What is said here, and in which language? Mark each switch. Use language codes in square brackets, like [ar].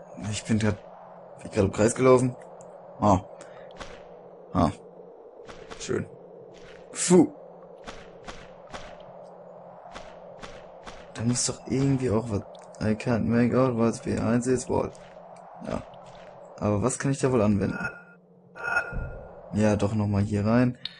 [de] Ich bin gerade im Kreis gelaufen. Ah. Ah. Schön. Puh. Da muss doch irgendwie auch was. [en] I can't make out what's behind this wall. [de] Ja. Aber was kann ich da wohl anwenden? Ja, doch nochmal hier rein.